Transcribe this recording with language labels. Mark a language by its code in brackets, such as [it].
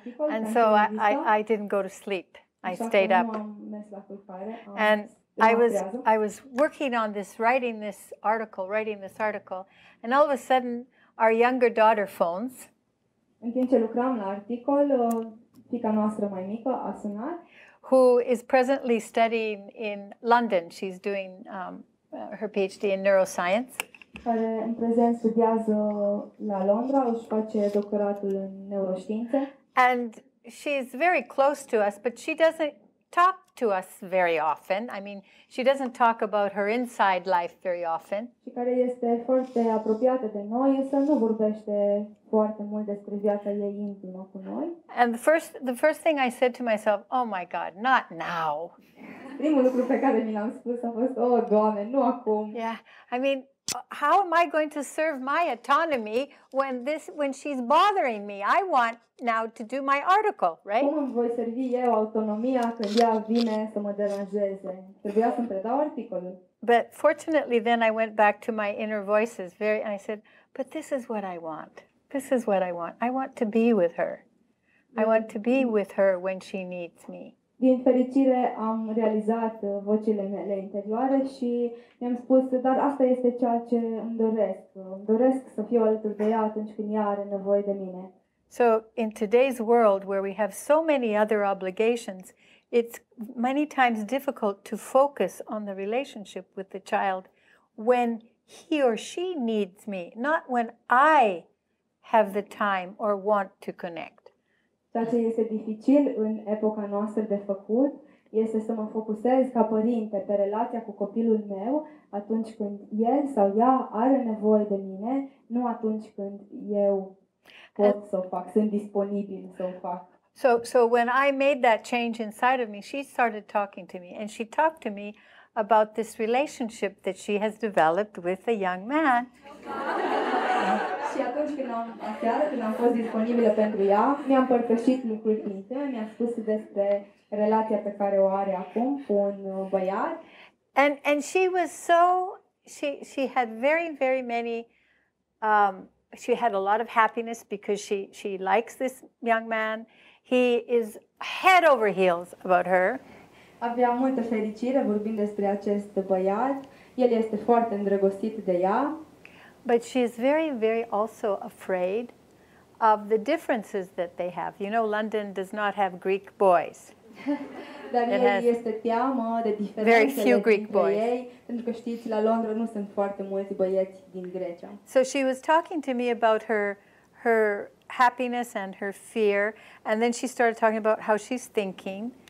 [en] And so I didn't go to sleep. I stayed up. And I was working on this, writing this article, and all of a sudden, our younger daughter phones. [ro] În timp ce lucram la articol, fiica noastră mai mică a sunat. [en] Who is presently studying in London. She's doing her PhD in neuroscience. [ro] Care în prezent studiază la Londra, își face doctoratul în neuroștiințe. [en] And she's very close to us, but she doesn't talk to us very often. I mean, she doesn't talk about her inside life very often. [ro] Și care este foarte apropiată de noi, însă nu vorbește foarte mult despre viața ei intimă cu noi. [en] And the first thing I said to myself, oh my God, not now. [ro] Primul lucru pe care mi l-am spus a fost, oh, Doamne, nu acum. [en] Yeah, I mean, how am I going to serve my autonomy when she's bothering me? I want now to do my article, right? [ro] Cum voi servi eu autonomia când ea vine să mă deranjeze? Trebuia să-mi predau articolul. [en] But fortunately, then I went back to my inner voices and I said, but this is what I want. This is what I want. I want to be with her. I want to be with her when she needs me. [ro] Din fericire am realizat vocile mele interioare și mi-am spus, dar asta este ceea ce îmi doresc. Îmi doresc să fiu alături de ea atunci când ea are nevoie de mine. [en] So in today's world where we have so many other obligations, it's many times difficult to focus on the relationship with the child when he or she needs me, not when I have the time or want to connect. [ro] Ceea ce este dificil în epoca noastră de făcut este să mă focusez ca părinte pe relația cu copilul meu atunci când el sau ea are nevoie de mine, nu atunci când eu pot să o fac, sunt disponibil să o fac. [en] So when I made that change inside of me, she started talking to me and she talked to me about this relationship that she has developed with a young man. [ro] Și Și atunci când am fost disponibilă pentru ea, mi-am părtășit lucruri intime, mi-a spus despre relația pe care o are acum cu un băiat. [en] And she was so she had very very many she had a lot of happiness because she likes this young man. He is head over heels about her. [ro] Avea multă fericire vorbind despre acest băiat. El este foarte îndrăgostit de ea. [en] But she is very, very also afraid of the differences that they have. You know, London does not have Greek boys. [ro] Dar el este teamă de diferențele dintre ei, pentru că știți, la Londra nu sunt foarte mulți băieți din Grecia. [en] So she was talking to me about her happiness and her fear, and then she started talking about how she's thinking.